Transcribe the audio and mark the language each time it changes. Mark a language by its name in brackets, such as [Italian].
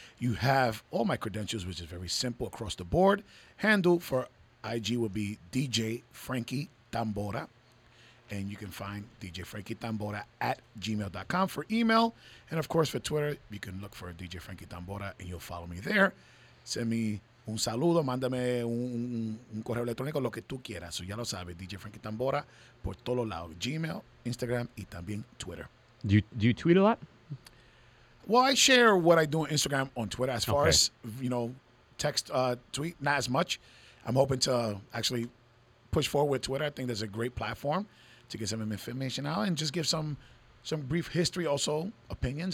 [English] You have all my credentials, which is very simple across the board. Handle for IG will be DJ Frankie Tambora. And you can find DJ Frankie Tambora at gmail.com for email. And, of course, for Twitter, you can look for DJ Frankie Tambora, and you'll follow me there. [Spanish] Send me un saludo, mándame un correo electrónico, lo que tú quieras. So ya lo sabes, DJ Frankie Tambora, por todos lados, Gmail, Instagram, y también Twitter. [English] Do you tweet a lot? Well, I share what I do on Instagram on Twitter as far as, you know, text, tweet, not as much. I'm hoping to actually push forward with Twitter. I think that's a great platform to get some information out and just give some brief history, also opinions.